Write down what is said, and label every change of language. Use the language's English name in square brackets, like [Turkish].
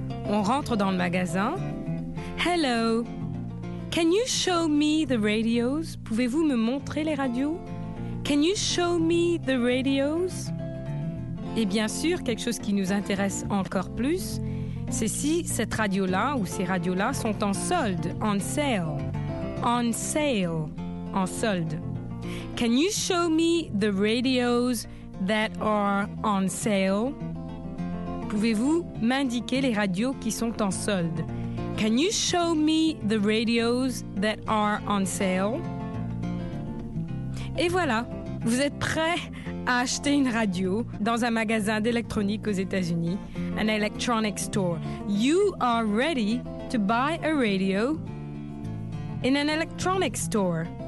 [French] On rentre dans le magasin. [English] Hello, can you show me the radios? [French] Pouvez-vous me montrer les radios? [English] Can you show me the radios? [French] Et bien sûr, quelque chose qui nous intéresse encore plus, c'est si cette radio-là ou ces radios-là sont en solde, [English] on sale. On sale, [French] en solde. [English] Can you show me the radios that are on sale? [French] Pouvez-vous m'indiquer les radios qui sont en solde? [English] Can you show me the radios that are on sale? [French] Et voilà, vous êtes prêt à acheter une radio dans un magasin d'électronique aux États-Unis, [English] an electronic store. You are ready to buy a radio in an electronic store.